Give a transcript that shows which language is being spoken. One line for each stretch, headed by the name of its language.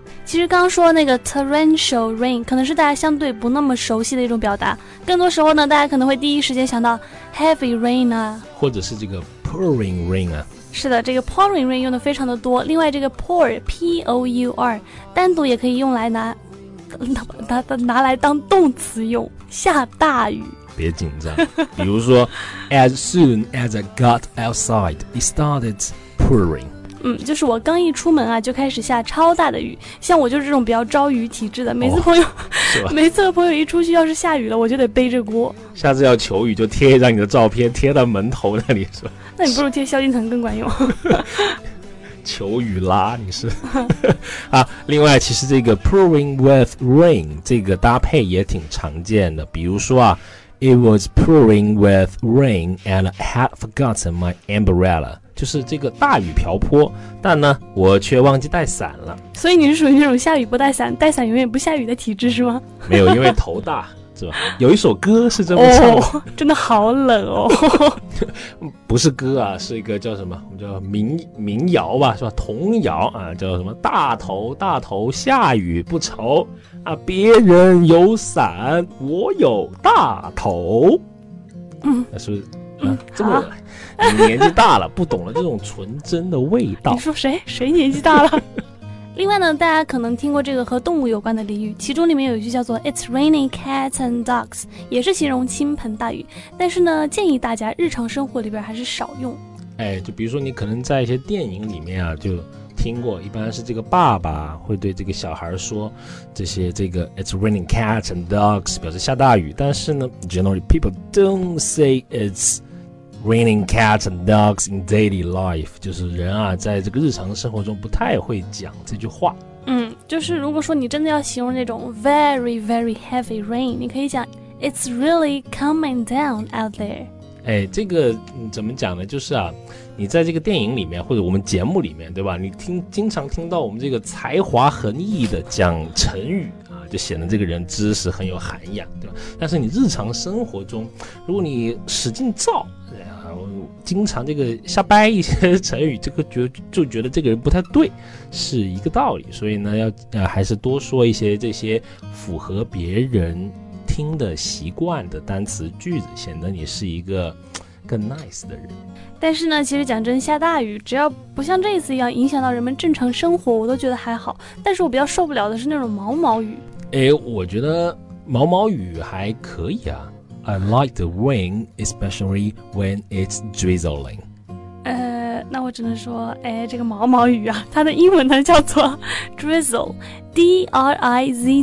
Chinese: 其实刚刚说那个 torrential rain 可能是大家相对不那么熟悉的一种表达，更多时候呢，大家可能会第一时间想到 heavy rain 啊，或者是这个 pouring rain 啊。是的，这个 pouring rain 用的非常的多。另外这个 pour P-O-U-R 单独也可以用来拿来当动词用，下大雨。别紧张，比如说
English: as soon as I got outside it started pouring。
Chinese: 嗯，就是我刚一出门啊就开始下超大的雨。像我就是这种比较招雨体质的，每次朋友、哦、是吧，每次朋友一出去要是下雨了，我就得背着锅。下次要求雨就贴一张你的照片贴到门头那里是吧。那你不如贴萧敬腾更管用。求雨啦你是。啊，另外其实这个 pouring with rain 这个搭配也挺常见的。比如说啊，
English: It was pouring with rain and I had forgotten my umbrella，
Chinese: 就是这个大雨瓢泼，但呢我却忘记带伞了。所以你是属于那种下雨不带伞，带伞永远不下雨的体质是吗？没有，因为头大是吧。有一首歌是这么唱的、哦、真的好冷哦。不是歌啊，是一个叫什么，我们叫民谣吧，是吧，童谣啊，叫什么大头大头下雨不愁啊，别人有伞我有大头。嗯，是不是啊、这么你年纪大了不懂了这种纯真的味道。你说谁年纪大了。另外呢，大家可能听过这个和动物有关的俚语，其中里面有一句叫做
English: It's raining cats and dogs，
Chinese: 也是形容倾盆大雨，但是呢建议大家日常生活里边还是少用。哎，就比如说你可能在一些电影里面啊就听过，一般是这个爸爸会对这个小孩说这些这个
English: It's raining cats and dogs，
Chinese: 表示下大雨。但是呢
English: generally people don't say it's raining cats and dogs in daily life，
Chinese: 就是人啊在这个日常生活中不太会讲这句话。嗯，就是如果说你真的要形容那种 very very heavy rain， 你可以讲
English: It's really coming down out there。
Chinese: 哎，这个怎么讲呢，就是啊你在这个电影里面或者我们节目里面对吧，你经常听到我们这个才华横溢的讲成语啊，就显得这个人知识很有涵养对吧。但是你日常生活中如果你使劲造然后经常这个瞎掰一些成语，这个就觉得这个人不太对，是一个道理。所以呢要还是多说一些这些符合别人听的习惯的单词句子，显得你是一个更 nice 的人。但是呢其实讲真，下大雨只要不像这一次一样影响到人们正常生活我都觉得还好。但是我比较受不了的是那种毛毛雨。哎，我觉得毛毛雨还可以啊。
English: I like the rain especially when it's drizzling。
Chinese: 那我只能说，哎，这个毛毛雨啊它的英文呢叫做 drizzle， D-R-I-Z-Z-L-E。